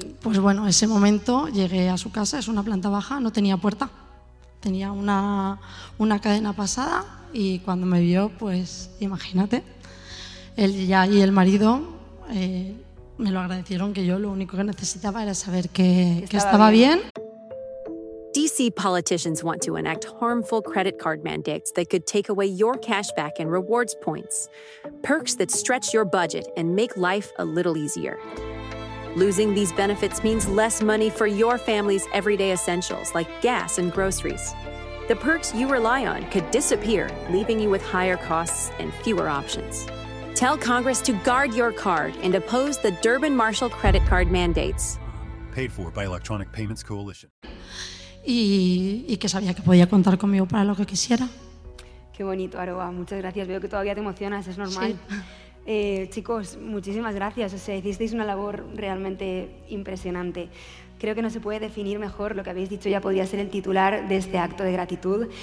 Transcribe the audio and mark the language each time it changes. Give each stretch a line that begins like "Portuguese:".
Spanish: Pues bueno, ese momento llegué a su casa, es una planta baja, no tenía puerta. Tenía una cadena pasada y cuando me vio, pues imagínate, él ya y el marido... me lo agradecieron, que yo lo único que necesitaba era saber que estaba bien.
English: DC see politicians want to enact harmful credit card mandates that could take away your cash back and rewards points. Perks that stretch your budget and make life a little easier. Losing these benefits means less money for your family's everyday essentials like gas and groceries. The perks you rely on could disappear, leaving you with higher costs and fewer options. Tell Congress to guard your card and oppose the Durbin-Marshall credit card mandates. Paid for by Electronic Payments Coalition.
Spanish: Y que sabía que podía contar conmigo para lo que quisiera. Qué bonito, Aroa. Muchas gracias. Veo que todavía te emocionas, es normal. Sí. Chicos, muchísimas gracias. O sea, hicisteis una labor realmente impresionante. Creo que no se puede definir mejor lo que habéis dicho, ya podía ser el titular de este acto de gratitud.